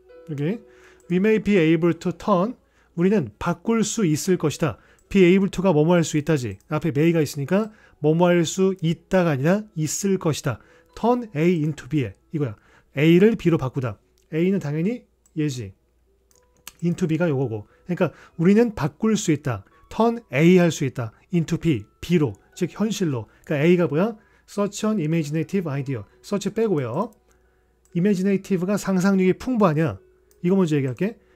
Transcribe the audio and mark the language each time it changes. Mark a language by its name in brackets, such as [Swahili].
[Korean] 여기 [English] we may be able to turn [Korean] 우리는 바꿀 수 있을 것이다. Be able to가 뭐뭐 할수 있다지. 앞에 may가 있으니까 뭐뭐 할수 있다가 아니라 있을 것이다. Turn A into B에 이거야. A를 B로 바꾸다. A는 당연히 예지. Into B가 요거고. 그러니까 우리는 바꿀 수 있다. Turn A 할수 있다. Into B, B로. 즉 현실로. 그러니까 A가 뭐야? [English] Search on imaginative idea. [Korean] Search 빼고 외워. Imaginative가 상상력이 풍부하냐? 이거 먼저 얘기할게.